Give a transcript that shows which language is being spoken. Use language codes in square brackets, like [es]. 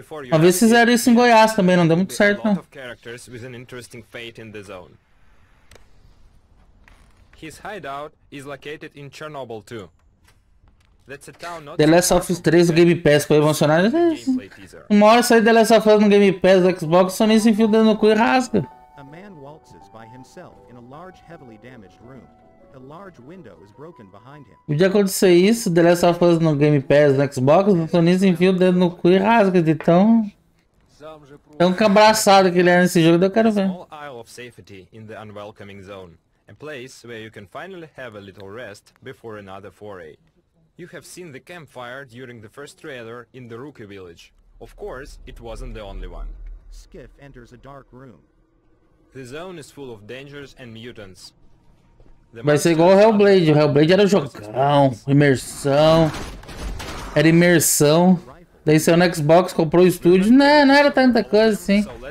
[pt] Às vezes fizeram isso em Goiás também, não deu muito certo não. [en] Characters with an interesting fate in the zone. His hideout is located in Chernobyl too. That's a town not [pt] The Last of Us 3 Game Pass foi emocionado. Uma hora sair The Last of Us no Game Pass do Xbox, só nem se enfia dentro do cu e rasga. [en] A man waltzes by himself in a large, heavily damaged room. A large window is broken behind him. [pt] O dia aconteceu isso, The Last of Us no Game Pass no Xbox, o Sony se enfia o dedo no cu e rasga de tão... Tão cabraçado que ele é nesse jogo, eu quero ver. [en] A isle of safety in the unwelcoming zone. A place where you can finally have a little rest before another foray. You have seen the campfire during the first trailer in the Rookie Village. Of course, it wasn't the only one. Skiff enters a dark room. The zone is full of dangers and mutants. [pt] Vai ser igual o Hellblade era jogão, imersão, era imersão. Daí saiu no Xbox, comprou o estúdio, não era tanta coisa assim.